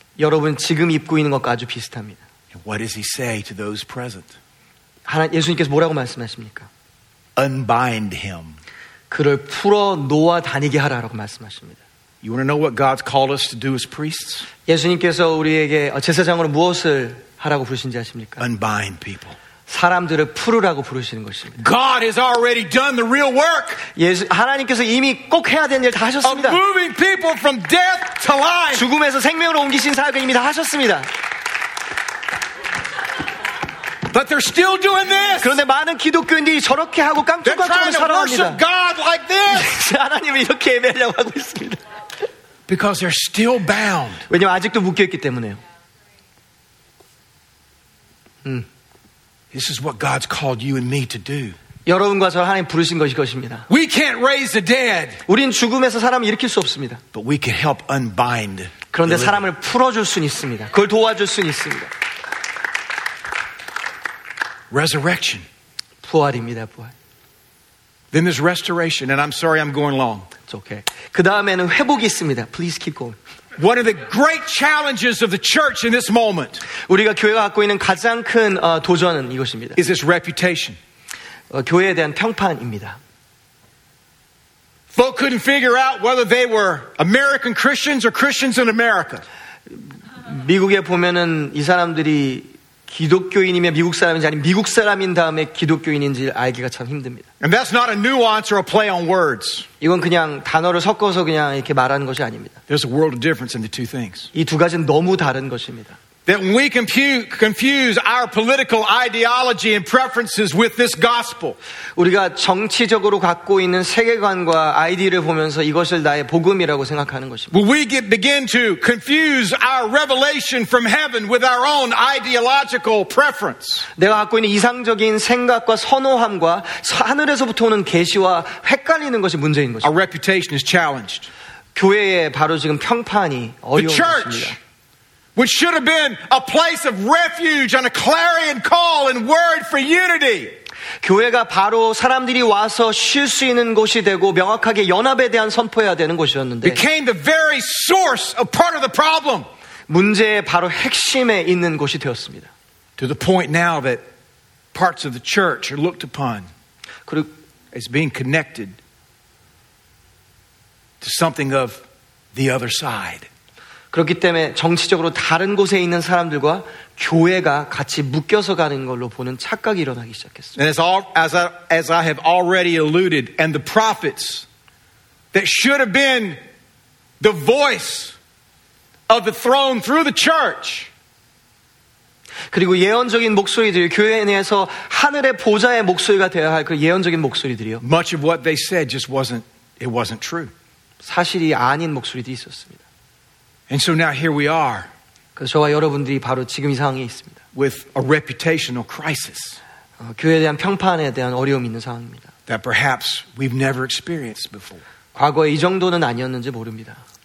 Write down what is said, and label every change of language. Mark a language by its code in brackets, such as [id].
[ko] 여러분 지금 입고 있는 것과 아주 비슷합니다. [en] And what does he say to those present? [ko] 하나님 예수님께서 뭐라고 말씀하십니까? [en] Unbind him. [ko] 그를 풀어 놓아 다니게 하라라고 말씀하십니다. [en] You want to know what God's called us to do as priests? [ko] 예수님께서 우리에게 제사장으로 무엇을 하라고 부르신지 아십니까? [en] Unbind people. [ko] 사람들을 풀으라고 부르시는 것입니다. [en] God has already done the real work. [ko] 예수 하나님께서 이미 꼭 해야 되는 일 다 하셨습니다. [en] Moving people from death to life. [ko] 죽음에서 생명으로 옮기신 사역을 이미 다 하셨습니다. [en] But they're still doing this. [ko] 그런데 많은 기독교인들이 저렇게 하고 깡총깡총 살아갑니다. [en] They're trying to worship God like this. [ko] 하나님을 이렇게 예배하려고 하고 있습니다. [en] Because they're still bound. [ko] 왜냐면 아직도 묶여 있기 때문에요. [en] This is what God's called you and me to do. [ko] 여러분과 저 하나님 부르신 것이 것입니다. [en] We can't raise the dead. [ko] 우리는 죽음에서 사람을 일으킬 수 없습니다. [en] But we can help unbind. [ko] 그런데 사람을 풀어줄 수 있습니다. 그걸 도와줄 수 있습니다. [en] Resurrection. [ko] 부활입니다, 부활. [en] Then there's restoration, and I'm sorry I'm going long. It's okay. [ko] 그 다음에는 회복이 있습니다. [en] Please keep going. One of the great challenges of the church in this moment. [ko] 우리가 교회가 갖고 있는 가장 큰 도전은 이것입니다. [en] Is its reputation. [ko] 교회에 대한 평판입니다. [en] Folk couldn't figure out whether they were American Christians or Christians in America. [ko] 미국에 보면은 이 사람들이 기독교인이면 미국 사람인지 아니면 미국 사람인 다음에 기독교인인지 알기가 참 힘듭니다. [en] And that's not a nuance or a play on words. [ko] 이건 그냥 단어를 섞어서 그냥 이렇게 말하는 것이 아닙니다. [en] There's a world of difference in the two things. [ko] 이 두 가지는 너무 다른 것입니다. [en] That we confuse our political ideology and preferences with this gospel. [ko] 우리가 정치적으로 갖고 있는 세계관과 아이디를 보면서 이것을 나의 복음이라고 생각하는 것입니다. [en] Will we begin to confuse our revelation from heaven with our own ideological preference? [ko] 내가 갖고 있는 이상적인 생각과 선호함과 하늘에서부터 오는 계시와 헷갈리는 것이 문제인 것입니다. [en] Our reputation is challenged. [ko] 교회의 바로 지금 평판이 어려운 것입니다. [en] Which should have been a place of refuge and a clarion call and word for unity. [ko] 교회가 바로 사람들이 와서 쉴 수 있는 곳이 되고 명확하게 연합에 대한 선포해야 되는 곳이었는데 [en] became the very source of part of the problem. [ko] 문제의 바로 핵심에 있는 곳이 되었습니다. [en] To the point now that parts of the church are looked upon as being connected to something of the other side. [ko] 그렇기 때문에 정치적으로 다른 곳에 있는 사람들과 교회가 같이 묶여서 가는 걸로 보는 착각이 일어나기 시작했습니다. [en] And as I have already alluded, and the prophets that should have been the voice of the throne through the church. [ko] 그리고 예언적인 목소리들, 교회 내에서 하늘의 보좌의 목소리가 되어야 할 그 예언적인 목소리들이요. [en] Much of what they said just wasn't, it wasn't true. [ko] 사실이 아닌 목소리도 있었습니다. [en] And so now here we are. [ko] 그래서 저와 여러분들이 바로 지금 이 상황에 있습니다. [en] With a reputational crisis. [ko] 교회에 대한 평판에 대한 어려움이 있는 상황입니다. [en] That perhaps we've never experienced before. [ko] 과거에 이 정도는 아니었는지 모릅니다.